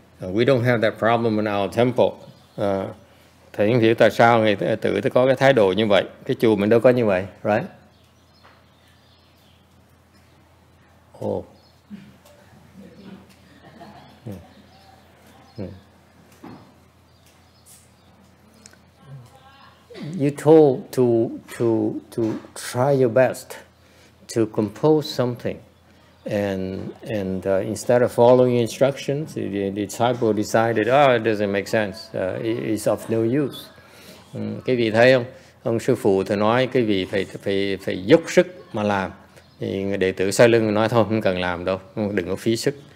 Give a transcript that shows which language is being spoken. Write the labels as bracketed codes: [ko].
[en] We don't have that problem in our temple. [vi] Thầy không hiểu tại sao người đệ tử có cái thái độ như vậy. Cái chùa mình đâu có như vậy, right? Oh. [en] You told to try your best to compose something, and instead of following instructions, the disciple decided, oh, it doesn't make sense. It's of no use. [vi] Cái vị thấy không? Ông sư phụ thì nói cái vị phải dốc sức mà làm. Thì người đệ tử sau lưng nói thôi không cần làm đâu, đừng có phí sức.